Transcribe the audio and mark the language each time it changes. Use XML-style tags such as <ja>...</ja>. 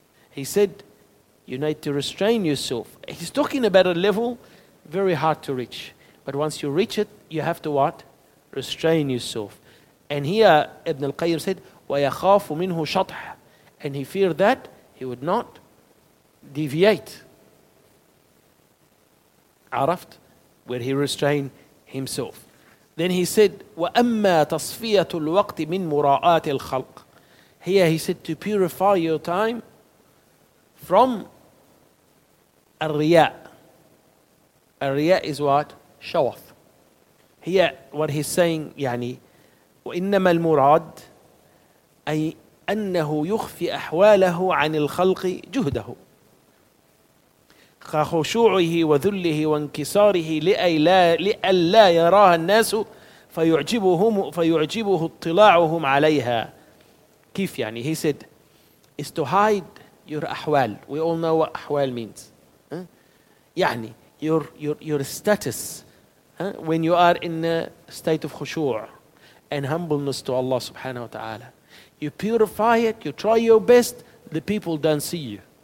<en>He said, you need to restrain yourself. He's talking about a level very hard to reach. But once you reach it, you have to what? Restrain yourself. And here Ibn al-Qayyim said,</en> <ar>وَيَخَافُ مِنْهُ شَطْحَ.</ar> <en>And he feared that he would not deviate.</en> <ar>عرفت?</ar> <en>Where he restrained himself. Then he said,</en> <ar>وَأَمَّا تَصْفِيَةُ الْوَقْتِ مِنْ مُرَاءَاتِ الْخَلْقِ.</ar> <en>Here he said, to purify your time from الرِّيَاء. الرِّيَاء is what?</en> <ar>شَوَف.</ar> <en>Here what he's saying,</en> <ar>يعني, وإنما المراد أي أنه يخفي أحواله عن الخلق جهده خشوعه وذله وانكساره لئلا يراها الناس فيعجبه اطلاعهم عليها. كيف يعني?</ar> <en>He said, is to hide your أحوال. We all know what أحوال means. يعني your status when you are in a state of خشوع and humbleness to Allah subhanahu wa ta'ala. You purify it, you try your best, the people don't see you.</en>